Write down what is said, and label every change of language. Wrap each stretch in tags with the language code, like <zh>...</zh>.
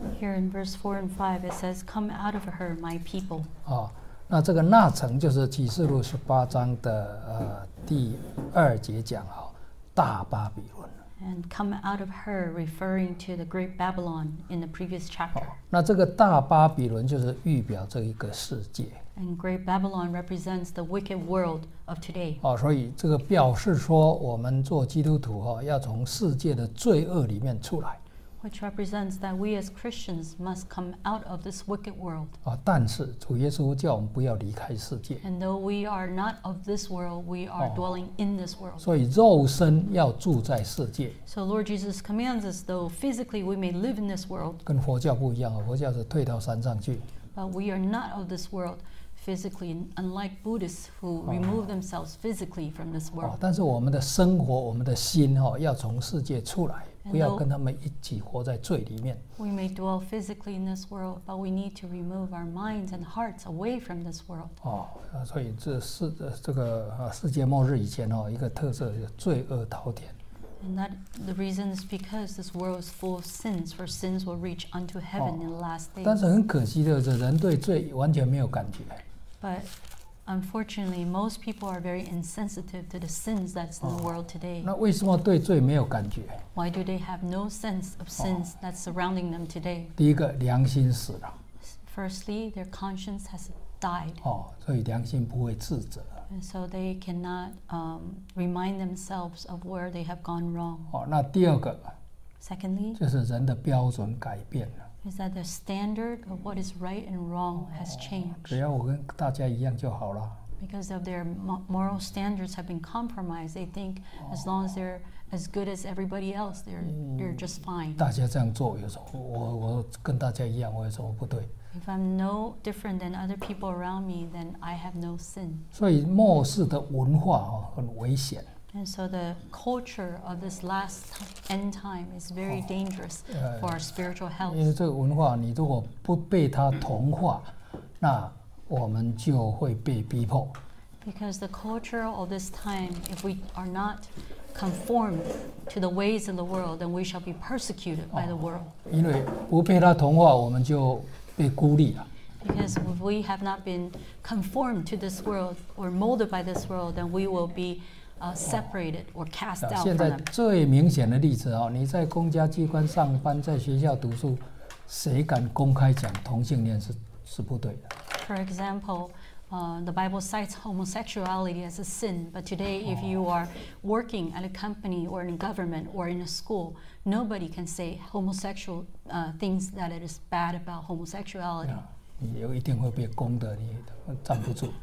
<en>Here in verse 4 and 5 it says Come out of her my people、</en> <zh>那这个那城就是启示录十八章的、第二节讲、大巴比伦</zh> <en>And come out of her referring to the great Babylon in the previous chapter、</en> <zh>那这个大巴比伦就是预表这一个世界</zh> <en>And Great Babylon represents the wicked world of today.</en> <zh>所以这个表示说我们做基督徒、要从世界的罪恶里面出来。</zh> <en>Which represents that we as Christians must come out of this wicked world.</en> <zh>但是主耶稣叫我们不要离开世界。</zh> <en>And though we are not of this world, we are dwelling in this world.</en> <zh>所以肉身要住在世界。</zh> <en>So Lord Jesus commands us, though physically we may live in this world.</en> <zh>跟佛教不一样、佛教是退到山上去。</zh> <en>But we are not of this world. Physically, unlike Buddhists who remove themselves physically from this world.</en> <zh>但是我们的生活，我们的心、要从世界出来，不要跟他们一起活在罪里面。</zh> <en>We may dwell physically in this world, but we need to remove our minds and hearts away from this world.</en> <zh>所以这是这个、世界末日以前、一个特色，罪恶滔天。</zh> <en>And that the reason is because this world is full of sins, for sins will reach unto heaven in the last days.</en> <zh>但是很可惜的是，人对罪完全没有感觉。</zh> <en>But unfortunately, most people are very insensitive to the sins that's in the world today.</en> <zh>那为什么对罪没有感觉？</zh> <en>Why do they have no sense of sins that's surrounding them today?</en> <zh>第一个，良心死了。</zh> <en>Firstly, their conscience has died.</en> <zh>所以良心不会自责。</zh> <en>And so they cannot remind themselves of where they have gone wrong.</en> <zh>那第二个。</zh> <en>Secondly,</en> <zh>就是人的标准改变了。</zh> <en>Is that the standard of what is right and wrong has changed?</en> <zh>只要我跟大家一样就好了。</zh> <en>Because of their moral standards have been compromised, they think as long as they're as good as everybody else, they're just fine.</en> <zh>大家这样做，有时候我跟大家一样，我有什么不对</zh> <en>？If I'm no different than other people around me, then I have no sin.</en> <zh>所以末世的文化很危险。</zh> <en>And so the culture of this last end time is very dangerous for our spiritual health.</en> <zh>因为这个文化，你如果不被它同化，那我们就会被逼迫。</zh> <en>Because the culture of this time, if we are not conformed to the ways of the world, then we shall be persecuted by the world.</en> <zh>因为不被他同化，我们就被孤立了。</zh> <en>Because if we have not been conformed to this world or molded by this world, then we will be separated or cast out from them.</en> <zh>现在最明显的例子哦，你在公家机关上班，在学校读书，谁敢公开讲同性恋是不对的？</zh> <en>For example, the Bible cites homosexuality as a sin. But today, if you are working at a company or in government or in a school, nobody can say homosexual things that it is bad about homosexuality. Yeah.</en> <zh>你有一定会被攻的，你站不住。</zh>